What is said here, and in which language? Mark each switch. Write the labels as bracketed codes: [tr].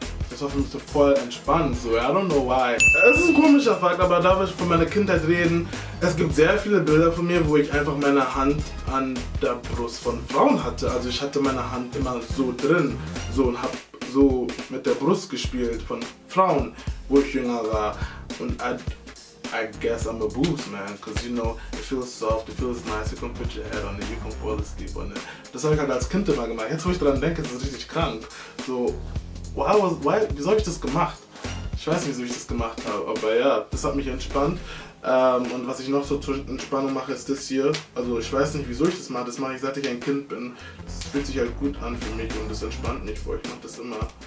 [de] Das war für mich so voll entspannt. [en] So, I don't know why. [de] Es ist ein komischer Fakt, aber darf ich von meiner Kindheit reden? Es gibt sehr viele Bilder von mir, wo ich einfach meine Hand an der Brust von Frauen hatte. Also ich hatte meine Hand immer so drin, so und hab so mit der Brust gespielt von Frauen, wo ich jünger war. [en] Und I guess I'm a boost, man, cause you know, it feels soft, it feels nice, you can put your head on it, you can fall asleep on it. [de] Das habe ich halt als Kind immer gemacht. Jetzt, wo ich daran denke, ist es richtig krank. So, wieso habe ich das gemacht? Ich weiß nicht, wieso ich das gemacht habe, aber ja, das hat mich entspannt. Und was ich noch so zur Entspannung mache, ist das hier. Also ich weiß nicht, wieso ich das mache. Das mache ich, seit ich ein Kind bin. Das fühlt sich halt gut an für mich und das entspannt mich voll. Ich mache das immer.